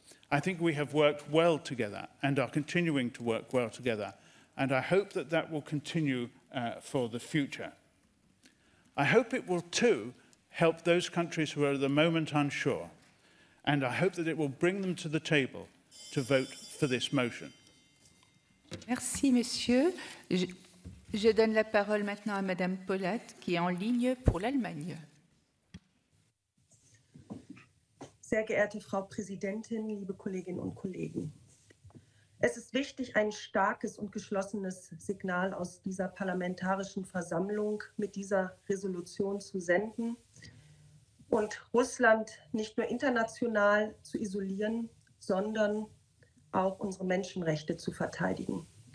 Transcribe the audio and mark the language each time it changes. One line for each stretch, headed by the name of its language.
English: I think we have worked well together and are continuing to work well together, and I hope that that will continue for the future. I hope it will too help those countries who are at the moment unsure, and I hope that it will bring them to the table to vote for this motion.
French: Merci, monsieur. Je donne la parole maintenant à Madame Pollat, qui est en ligne pour l'Allemagne.
German: Sehr geehrte Frau Präsidentin, liebe Kolleginnen und Kollegen. Es ist wichtig, ein starkes und geschlossenes Signal aus dieser parlamentarischen Versammlung mit dieser Resolution zu senden und Russland nicht nur international zu isolieren, sondern auch unsere Menschenrechte zu verteidigen.